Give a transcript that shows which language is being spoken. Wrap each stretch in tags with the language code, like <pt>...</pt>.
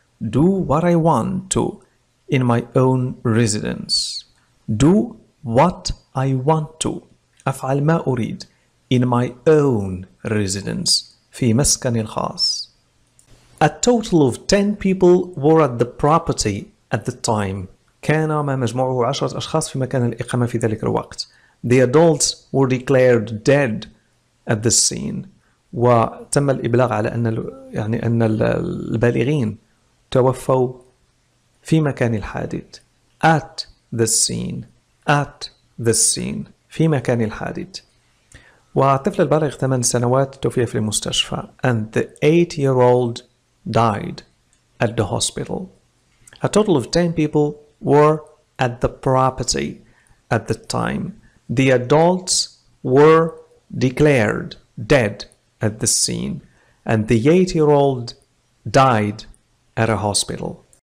<en>Do what I want to in my own residence. Do what I want to.</en> <ar>أفعل ما أريد.</ar> <en>In my own residence.</en> <ar>في مسكني الخاص.</ar> <en>A total of 10 people were at the property at the time.</en> <ar>كان ما مجموعه 10 أشخاص في مكان الإقامة في ذلك الوقت.</ar> <en>The adults were declared dead at the scene.</en> <ar>وتم الإبلاغ على أن يعني أن البالغين توفوا في مكان الحادث.</ar> <en>At the scene. At the scene.</en> <ar>في مكان الحادث. والطفل البالغ 8 سنوات توفي في المستشفى.</ar> <en>And the 8-year-old died at the hospital. A total of 10 people were at the property at the time. The adults were declared dead at the scene. And the 8-year-old died at a hospital.</en>